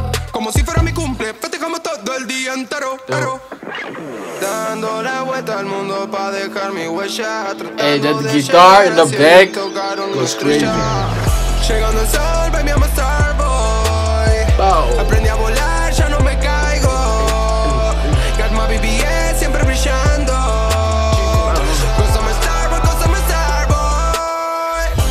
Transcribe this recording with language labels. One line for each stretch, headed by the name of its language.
Spanish: Como si fuera mi cumple, festejamos todo el día entero. Dando la vuelta al mundo pa' dejar mi huella.
English: Hey, that guitar in the back goes crazy.
Spanish: Llegando el sol,
English: baby, I'm a star boy. Wow.
Spanish: Aprendí a volar, ya no me caigo.
English: Got my BBS
Spanish: siempre brillando.
English: Cause I'm a star boy, cause I'm a star boy.